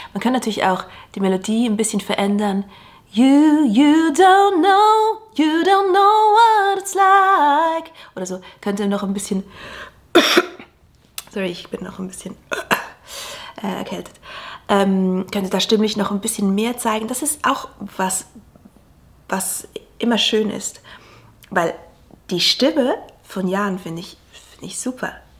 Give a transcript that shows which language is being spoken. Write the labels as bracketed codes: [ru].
[de] Man kann natürlich auch die Melodie ein bisschen verändern. [en] You don't know what it's like. [de] Oder so, könnte noch ein bisschen, sorry, ich bin noch ein bisschen erkältet. Könnte da stimmlich noch ein bisschen mehr zeigen. Das ist auch was immer schön ist. Weil die Stimme von Jan finde ich super.